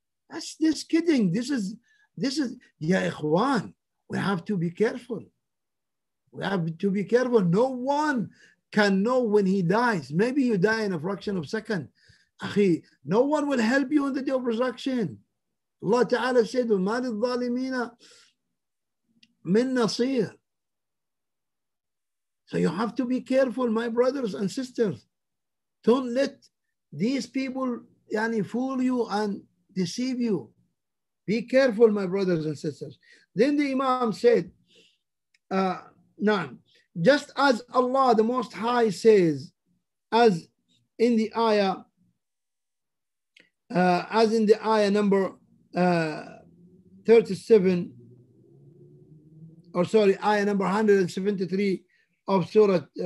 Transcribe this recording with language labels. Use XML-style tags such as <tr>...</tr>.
<en>That's just kidding. This is, ya ikhwan, we have to be careful. We have to be careful. No one can know when he dies. Maybe you die in a fraction of a second. Akhi, no one will help you on the day of resurrection. Allah Ta'ala said,</en> <ar>وَمَا لِلظَّالِمِينَ مِنْ نَصِيرٍ.</ar> <en>So you have to be careful, my brothers and sisters. Don't let these people yani, fool you and deceive you. Be careful, my brothers and sisters. Then the Imam said, just as Allah, the Most High, says, as in the ayah, ayah number 173 of Surah</en>